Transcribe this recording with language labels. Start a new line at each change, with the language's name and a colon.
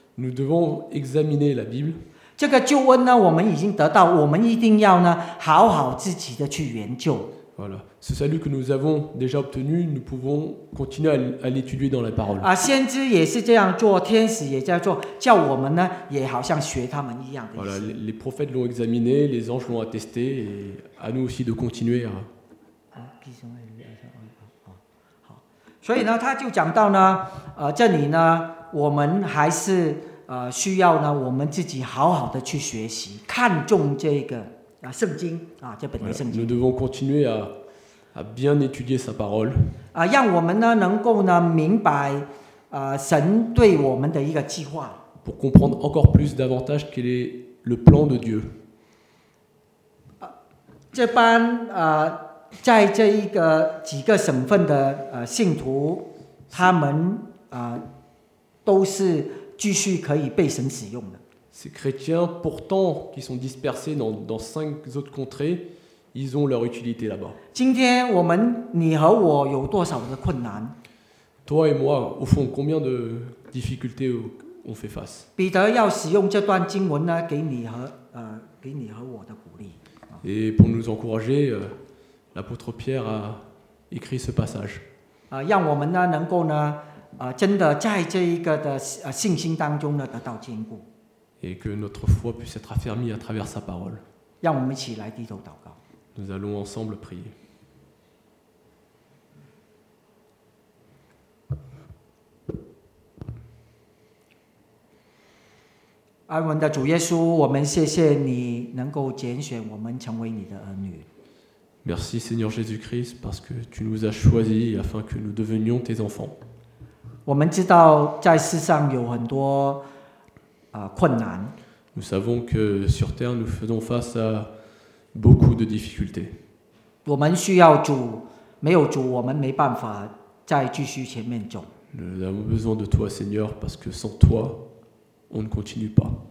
French: nous devons examiner la Bible.
Chinese: 这个救恩呢，我们已经得到，我们一定要呢，好好自己的去研究。
French: Voilà, ce salut que nous avons déjà obtenu, nous pouvons continuer à l'étudier dans la parole.
Chinese: 啊，先知也是这样做，天使也在做，叫我们呢，也好像学他们一样的意思。
French: Voilà, les prophètes l'ont examiné, les anges l'ont attesté, et à nous aussi de continuer à.
Chinese: 啊，弟兄们，好，所以呢，他就讲到呢，这里呢，我们还是。需要呢，我们自己好好的去学习，看重这个啊圣经啊这本的圣经。
French: Voilà, nous devons continuer à bien étudier sa parole.
Chinese: 啊，让我们呢能够呢明白神对我们的一个计划。
French: Pour comprendre encore plus davantage quel est le plan de Dieu.
Chinese: 啊，这班在这一个几个省份的信徒，他们都是。继续可以被神使用的。
French: Ces chrétiens pourtant qui sont dispersés dans cinq autres contrées, ils ont leur utilité là-bas.
Chinese: 今天我们你和我有多少的困难
French: ？Toi et moi, au fond, combien de difficultés on fait face？
Chinese: 彼得要使用这段经文呢，给你和给你和我的鼓励。
French: Et pour nous encourager, l'apôtre Pierre a écrit ce passage.
Chinese: 啊，让我们呢能够呢。真的在这一个的信心当中呢得到坚固。
French: Et que notre foi puisse être affermie à travers sa parole.
Chinese: 让我们一起来低头祷告。
French: Nous allons ensemble prier.
Chinese: 爱我们的主耶稣，我们谢谢你能够拣选我们成为你的儿女。
French: Merci Seigneur Jésus-Christ parce que tu nous as choisis afin que nous devenions tes enfants.
Chinese: 我们知道在世上有很多困难。
French: Nous savons que sur terre nous faisons face à beaucoup de difficultés.
Chinese: 我们需要主，没有主我们没办法再继续前面走。
French: Nous avons besoin de toi, Seigneur, parce que sans toi, on ne continue pas.